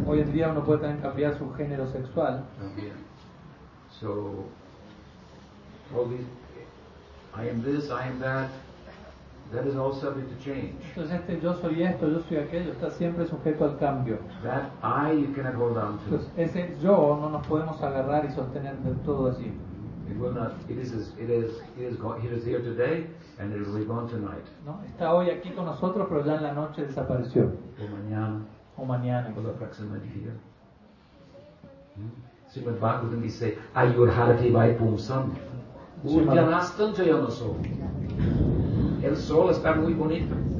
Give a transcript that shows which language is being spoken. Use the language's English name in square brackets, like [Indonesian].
[Spanish] Hoy en día uno puede también cambiar su género sexual. [English] So all these, I am this, I am that. That is all subject to change. [Spanish] Entonces este yo soy esto, yo soy aquello, está siempre sujeto al cambio. [English] That I you cannot hold on to. [Spanish] Ese yo no nos podemos agarrar y sostener del todo así. [English] It will not. It is here today, and it will be gone tonight. [Spanish] No, está hoy aquí con nosotros, pero ya en la noche desapareció. O mañana. O la próxima día. Srimad Bhagavatam dice, [Sanskrit] Ayurharati vai pumsam. Urdhyanastam jayamaso. [Spanish] El sol está muy bonito.